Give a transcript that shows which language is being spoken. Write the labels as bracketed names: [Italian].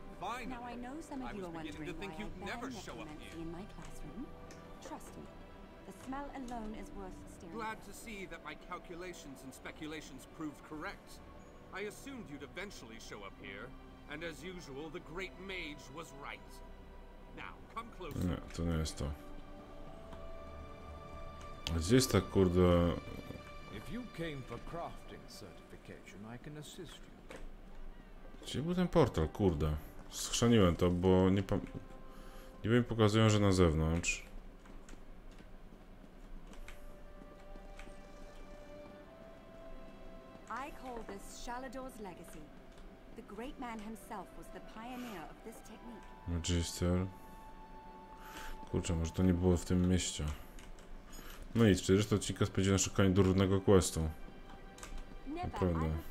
[English] Now I know some of you are wondering why I'd never show up here. In my classroom. Trust me, the smell alone is worth staring. Glad to see that my calculations and speculations proved correct. I assumed you'd eventually show up here, and as usual, the great mage was right. Now, come closer. [Polish] Nie, to nie jest to. Gdzie jest ta kurde [English] If you came for crafting certification, I can assist you. [Polish] Gdzie był ten portal? Kurde. Schrzaniłem to, bo nie pam... Niby mi pokazują, że na zewnątrz. [English] I call this Shalador's legacy. The great man himself was the pioneer of this technique. Magister. [Polish] Kurczę, może to nie było w tym mieście. No nic, przecież to odcinka spędzi na szukanie durnego questu. Naprawdę.